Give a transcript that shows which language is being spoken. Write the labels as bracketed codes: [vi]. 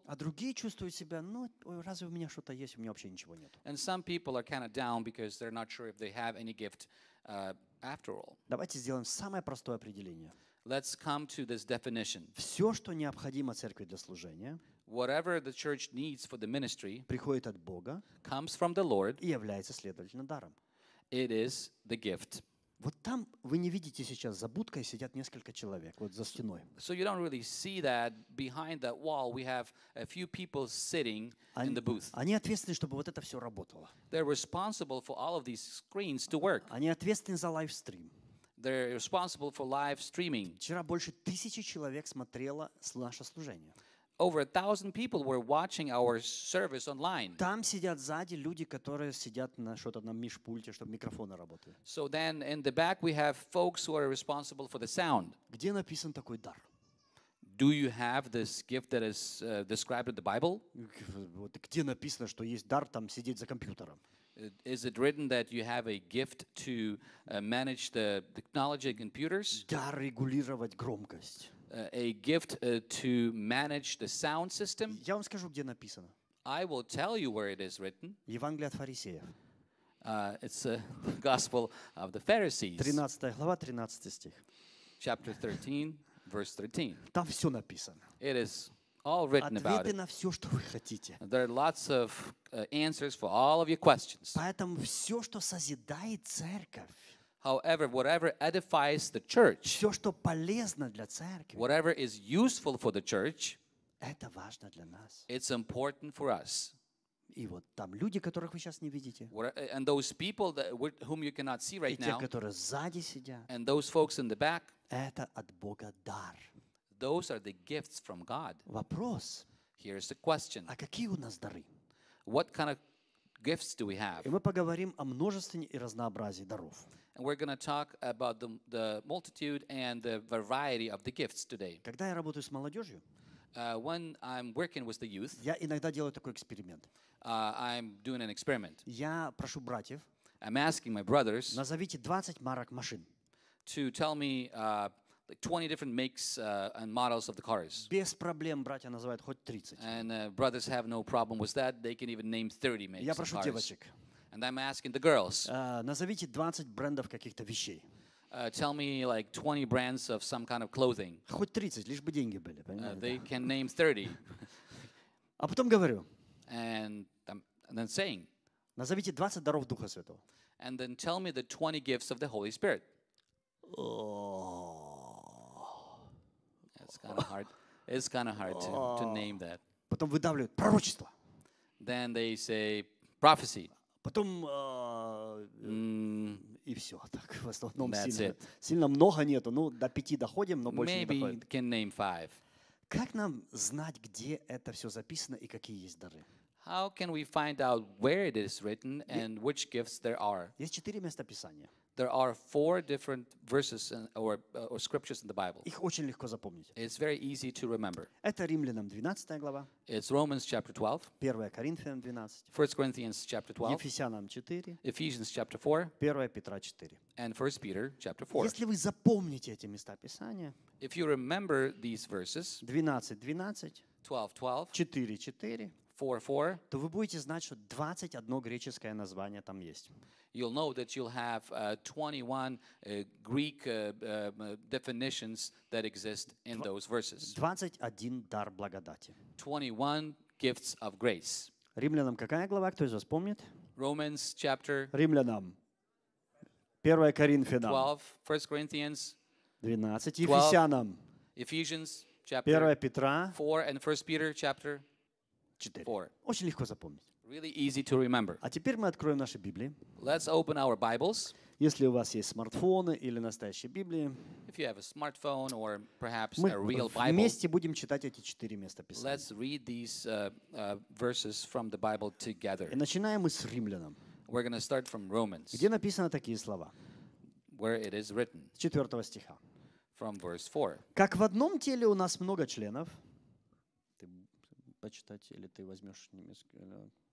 [ru] А другие чувствуют себя, ну, разве у меня что-то есть, у меня вообще ничего нет. [en] And some people are kind of down because they're not sure if they have any gift after all. [ru] Давайте сделаем самое простое определение. [en] Let's come to this definition. [ru] Все, что необходимо церкви для служения, [en] whatever the church needs for the ministry, [ru] приходит от Бога, [en] comes from the Lord, [ru] и является, следовательно, даром. [en] It is the gift. [ru] Вот там вы не видите сейчас за будкой сидят несколько человек вот за стеной. [en] So you don't really see that behind that wall we have a few people sitting in the booth. [ru] Они ответственны, чтобы вот это все работало. [en] They're responsible for all of these screens to work. [ru] Они ответственны за live stream. [en] They're responsible for live streaming. [ru] Вчера больше тысячи человек смотрело наше служение. [en] Over 1,000 people were watching our service online. [ru] Там сидят сзади люди, которые сидят на что-то на мишпульте, чтобы микрофоны работали. [en] So then in the back we have folks who are responsible for the sound. [ru] Где написан такой дар? [en] Do you have this gift that is described in the Bible? [ru] Вот где написано, что есть дар там сидеть за компьютером? [en] Is it written that you have a gift to manage the technology computers? [ru] Дар регулировать громкость. [en] A gift to manage the sound system. [ru] Я вам скажу, где написано. [en] I will tell you where it is written. [ru] Евангелие от фарисеев. [en] It's the Gospel of the Pharisees. [ru] 13 глава, 13 стих. [en] Chapter 13, verse 13. [ru] Там все написано. [en] It is all written about it. [ru] Ответы на все, что вы хотите. [en] There are lots of answers for all of your questions. [ru] Поэтому все, что созидает церковь. [en] However, whatever edifies the church, [ru] все, что полезно для церкви, [en] whatever is useful for the church, [ru] Это важно для нас. [en] It's important for us. [ru] И вот там люди, которых вы сейчас не видите. [en] And those people that, whom you cannot see right now. [ru] И те, [en] now, [ru] которые сзади сидят. [en] And those folks in the back. [ru] Это от Бога дар. [en] Those are the gifts from God. [ru] Вопрос. [en] Here's the question. [ru] А какие у нас дары? [en] What kind of gifts do we have? [ru] И мы поговорим о множестве и разнообразии даров. [en] And we're going to talk about the multitude and the variety of the gifts today. [ru] Когда я работаю с молодежью. [en] When I'm working with the youth, [ru] я иногда делаю такой эксперимент. [en] I'm doing an experiment. [ru] Я прошу братьев. [en] I'm asking my brothers. [ru] Назовите 20 марок машин. [en] To tell me like 20 different makes and models of the cars. [ru] Без проблем братья называют хоть 30. [en] And brothers have no problem with that. They can even name 30 makes. [ru] Я прошу девочек. [en] And I'm asking the girls. [ru] Назовите 20 брендов каких-то вещей. [en] Tell me like 20 brands of some kind of clothing. [ru] Хоть 30, лишь бы деньги были. [en] They can name 30. [ru] А потом говорю. [en] And then saying. [ru] Назовите 20 даров Духа Святого. [en] And then tell me the 20 gifts of the Holy Spirit. Oh. It's kind of hard. It's kind of hard to name that. [ru] Потом выдавливают пророчество. [en] Then they say prophecy. [ru] Потом и все так в основном сильно много нету, ну до пяти доходим, но больше [en] maybe [ru] не доходит. [en] Can name five. [ru] Как нам знать, где это все записано и какие есть дары? [en] How can we find out where it is written and which gifts there are? [ru] Есть четыре места писания. [en] There are four different verses or scriptures in the Bible. [ru] Их очень легко запомнить. [en] It's very easy to remember. [ru] Это Римлянам 12 глава. [en] It's Romans chapter 12. [ru] 1 Коринфянам 12. [en] 1 Corinthians chapter 12. [ru] Ефесянам 4. [en] Ephesians chapter 4. [ru] 1 Петра 4. [en] And 1 Peter chapter 4. [ru] Если вы запомните эти места писания. [en] If you remember these verses. [ru] 12 12. [en] 12 12. [ru] 4 4. [en] 4, 4, [ru] то вы будете знать, что 21 греческое название там есть. [en] You'll know that you'll have 21 Greek definitions that exist in those verses. [ru] 21 дар благодати. [en] 21 gifts of grace. [ru] Римлянам какая глава, кто из вас помнит? [en] Romans chapter. [ru] Римлянам. 1 Коринфянам. [en] 12, 1 Corinthians. [ru] 12, Ефесянам. [en] Ephesians chapter. [ru] 1 Петра. [en] 4 and 1 Peter chapter. [ru] 4. Очень легко запомнить. [en] Really easy to remember. [ru] А теперь мы откроем наши Библии. [en] Let's open our Bibles. [ru] Если у вас есть смартфоны или настоящие Библии, [en] if you have a smartphone or perhaps [ru] мы [en] a real Bible, [ru] вместе будем читать эти четыре места Писания. [en] Let's read these verses from the Bible together. [ru] И начинаем мы с Римлянам. [en] We're going to start from Romans. [ru] Где написаны такие слова? [en] Where it is written. [ru] С 4 стиха. [en] From verse 4. [ru] Как в одном теле у нас много членов, почитать, или ты возьмешь немецкое.